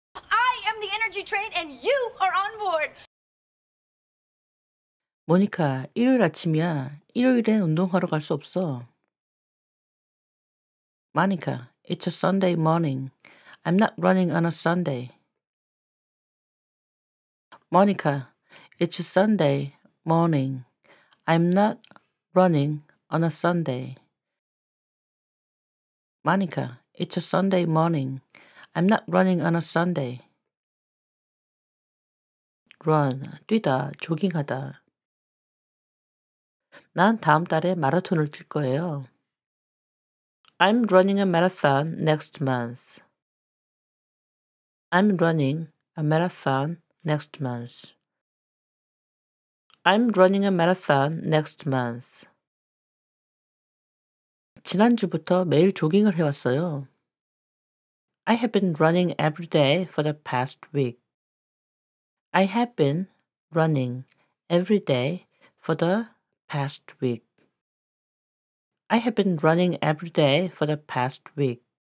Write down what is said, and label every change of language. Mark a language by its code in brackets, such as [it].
[en] I am the energy train, and you are on board! [ko] 모니카, 일요일 아침이야. 일요일엔 운동하러 갈 수 없어. [en] 모니카, it's a Sunday morning. I'm not running on a Sunday. 모니카, it's a Sunday morning. I'm not running on a Sunday. 모니카, it's a Sunday morning. I'm not running on a Sunday. [ko] Run, 뛰다, 조깅하다. 난 다음 달에 마라톤을 뛸 거예요. [en] I'm running a marathon next month. I'm running a marathon next month. I'm running a marathon next month. [ko] 지난주부터 매일 조깅을 해왔어요. [en] I have been running every day for the past week. I have been running every day for the past week. I have been running every day for the past week.